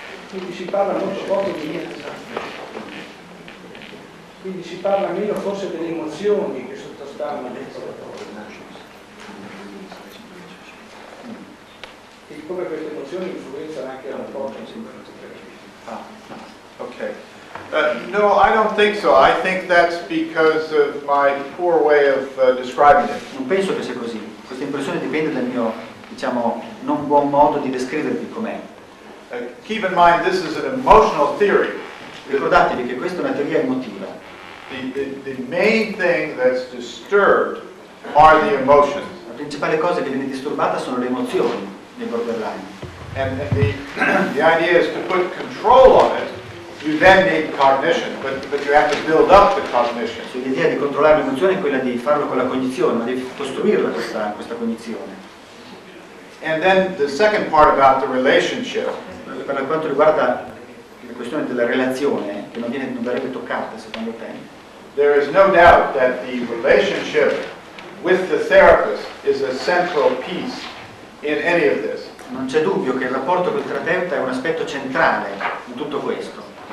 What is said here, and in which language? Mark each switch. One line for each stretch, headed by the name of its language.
Italian: Quindi si parla molto poco di niente, quindi si parla meno forse delle emozioni che sono e come queste emozioni influenzano anche la porta
English: Okay. No, I don't think so. I think that's because of my poor way of describing it.
Italian: Non penso che sia così. Questa impressione dipende dal mio, diciamo, non buon modo di descrivervi com'è.
English: Keep in mind this is an emotional theory.
Italian: Ricordatevi che questa è una teoria emotiva.
English: The main thing that's disturbed are the emotions.
Italian: La principale cosa che viene disturbata sono le emozioni nei borderline.
English: And the idea is to put control on it, you then need cognition, but you have to build up the cognition.
Italian: So l'idea di controllare l'emozione è quella di farlo con la cognizione, ma devi costruirla questa cognizione.
English: And then the second part about the relationship.
Italian: Per quanto riguarda la questione della relazione, che non verrebbe toccata secondo te.
English: There is no doubt that the relationship with the therapist is a central piece in any of this.
Italian: Non c'è dubbio che il rapporto col terapeuta è un aspetto centrale in tutto questo.